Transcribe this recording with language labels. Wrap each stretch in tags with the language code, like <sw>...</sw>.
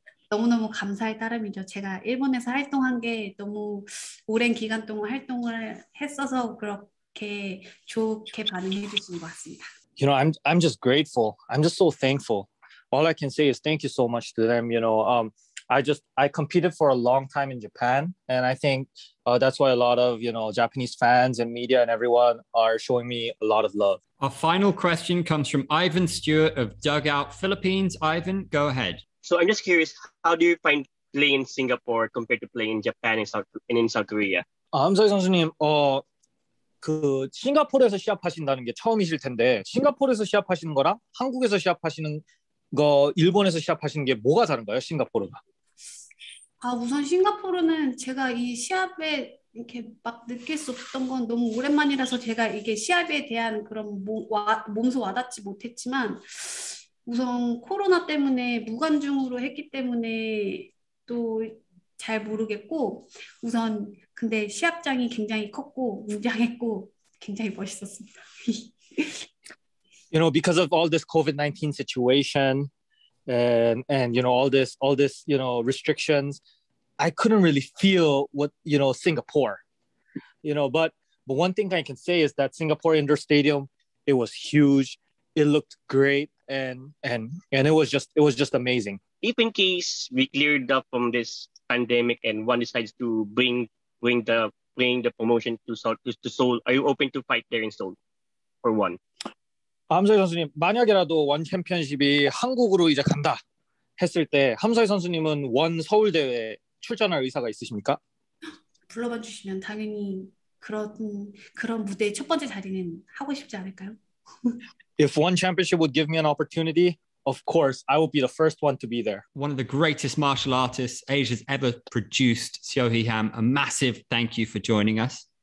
<ko>너무너무 감사할 따름이죠. 제가 일본에서 활동한 게 너무 오랜 기간 동안 활동을 했어서 그렇게 좋게 반응해 주신 것 같습니다.</ko> <en>you know, I'm just grateful. I'm just so thankful. All I can say is thank you so much to them. You know, I competed for a long time in Japan. And I think that's why a lot of, you know, Japanese fans and media and everyone are showing me a lot of love. Our final question comes from Ivan Stewart of Dugout Philippines. Ivan, go ahead. So I'm just curious, how do you find playing in Singapore compared to playing in Japan and in South Korea?</en> <ko>함서희 선수님, 그 싱가포르에서 시합하신다는 게 처음이실 텐데 싱가포르에서 시합하시는 거랑 한국에서 시합하시는 거 일본에서 시합하시는 게 뭐가 다른가요? 싱가포르가? 아 우선 싱가포르는 제가 이 시합에 이렇게 막 느꼈었던 건 너무 오랜만이라서 제가 이게 시합에 대한 그런 몸소 와닿지 못했지만 우선 코로나 때문에 무관중으로 했기 때문에 또 잘 모르겠고 우선 근데 시합장이 굉장히 컸고 웅장했고 굉장히 멋있었습니다.</ko> <en>You know, because of all this COVID-19 situation and you know all this you know restrictions, I couldn't really feel what, you know, Singapore. You know, but one thing I can say is that Singapore Indoor Stadium, it was huge. It looked great and it was just amazing. If in case we cleared up from this pandemic and one decides to bring the promotion to Seoul, are you open to fight there in Seoul for one?</en> <ko>함서희 선수님, 만약에라도 원 챔피언십이 한국으로 이제 간다 했을 때 함서희 선수님은 원 서울 대회 출전할 의사가 있으십니까? 불러봐 주시면 당연히 그런 무대 첫 번째 자리는 하고 싶지 않을까요?</ko> <en>If one championship would give me an opportunity, of course, I would be the first one to be there. One of the greatest martial artists Asia's ever produced, Seo Hee Ham, a massive thank you for joining us.</en>